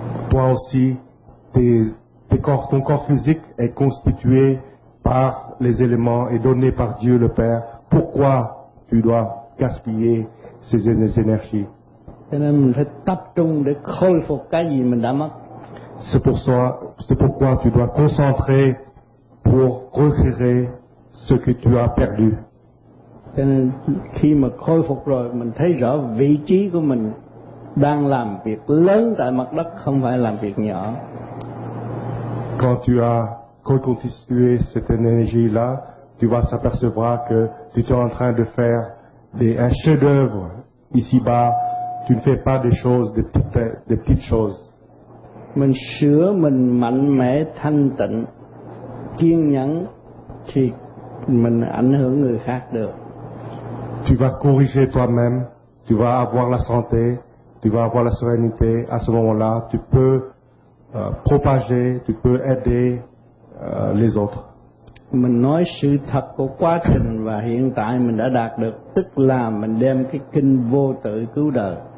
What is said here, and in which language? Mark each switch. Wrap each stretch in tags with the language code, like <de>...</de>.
<fr>Toi aussi, ton corps physique est constitué par les éléments et donné par Dieu le Père. Pourquoi tu dois gaspiller ces énergies?</fr> <vi>Cho nên mình phải tập trung để khôi phục cái gì mình đã mất.</vi> <fr>C'est pourquoi tu dois concentrer pour recréer ce que tu as perdu.</fr> <vi>Cho nên khi mà khôi phục rồi, mình thấy rõ vị trí của mình đang làm việc lớn tại mặt đất, không phải làm việc nhỏ.</vi> <fr>Quand tu as reconstitué cette énergie-là, tu vas s'apercevoir que tu es en train de faire un chef-d'œuvre ici-bas. Tu ne fais pas des choses, des petites choses.</fr> <vi>Mình sửa mình mạnh mẽ, thanh tịnh, kiên nhẫn, thì mình ảnh hưởng người khác được.</vi> <fr>Tu vas corriger toi-même, tu vas avoir la santé, tu vas avoir la sérénité. À ce moment-là, tu peux propager, tu peux aider les autres.</fr> <vi>Mình nói sự thật của quá trình và hiện tại mình đã đạt được, tức là mình đem cái kinh vô tự cứu đời.</vi>